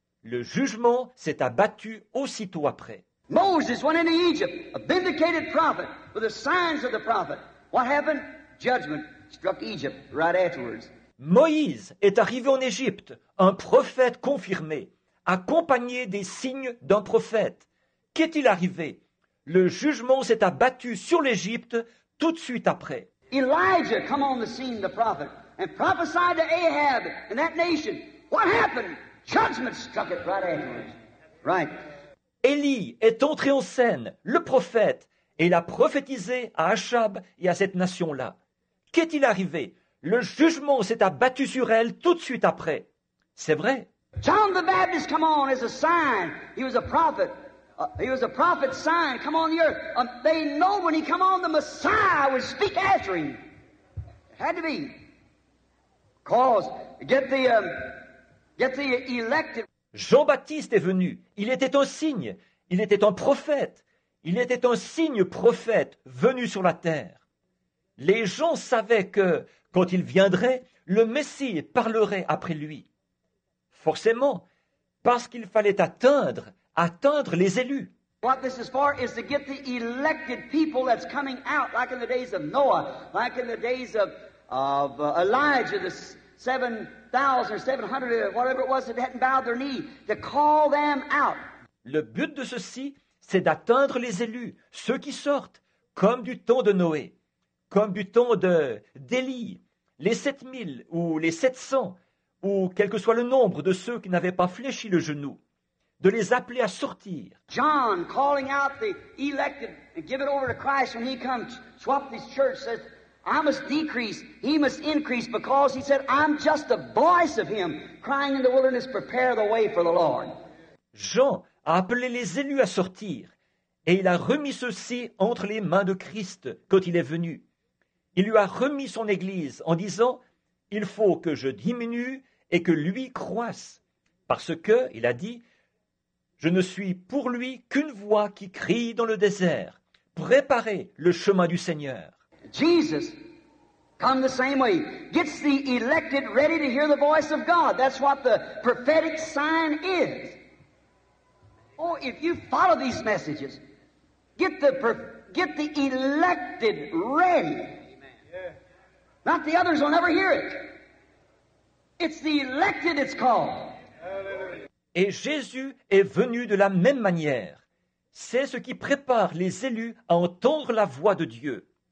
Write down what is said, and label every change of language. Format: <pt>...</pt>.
<fr>Le jugement s'est abattu aussitôt après.</fr> <en>Moses went into Egypt, a vindicated prophet, with the signs of the prophet. What happened? Judgment struck Egypt right afterwards.</en> <fr>Moïse est arrivé en Égypte, un prophète confirmé, accompagné des signes d'un prophète. Qu'est-il arrivé? Le jugement s'est abattu sur l'Égypte tout de suite après.</fr> <en>Elijah come on the scene, the prophet, and prophesied to Ahab and that nation. What happened? Judgment struck it right afterwards. Right.</en> <fr>Élie est entré en scène, le prophète, et il a prophétisé à Achab et à cette nation-là. Qu'est-il arrivé? Le jugement s'est abattu sur elle tout de suite après. C'est vrai.</fr> <en>John the Baptist, come on, is a sign. He was a prophet. He was a prophet's sign. Come on the earth. They know when he come on, the Messiah would speak after him. It had to be. Cause, get the elected.</en> <fr>Jean-Baptiste est venu. Il était un signe. Il était un prophète. Il était un signe prophète venu sur la terre. Les gens savaient que, quand il viendrait, le Messie parlerait après lui. Forcément, parce qu'il fallait atteindre les élus.</fr> <en>What this is for is to get the elected people that's coming out, like in the days of Noah, like in the days of Elijah, the 7,000 or 700, whatever it was, that hadn't bowed their knee, to call them out.</en> <fr>Le but de ceci, c'est d'atteindre les élus, ceux qui sortent, comme du temps de Noé, comme du temps d'Élie, les 7,000 ou les 700, ou quel que soit le nombre de ceux qui n'avaient pas fléchi le genou, de les appeler à sortir.</fr> <en>John calling out the elected and give it over to Christ when he comes, swap this church, says, I must decrease, he must increase, because he said, I'm just a voice of him crying in the wilderness, prepare the way for the Lord.</en> <fr>Jean a appelé les élus à sortir, et il a remis ceux-ci entre les mains de Christ quand il est venu. Il lui a remis son église en disant, « Il faut que je diminue et que lui croisse, parce que, il a dit, « Je ne suis pour lui qu'une voix qui crie dans le désert. Préparez le chemin du Seigneur. »</fr> <en>Jesus come the same way, gets the elected ready to hear the voice of God. That's what the prophetic sign is. Oh, if you follow these messages, get the elected ready. Amen. Not the others will never hear it. It's the elected it's called.</en> <fr>Et Jésus est venu de la même manière. C'est ce qui prépare les élus à entendre la voix de Dieu.</fr>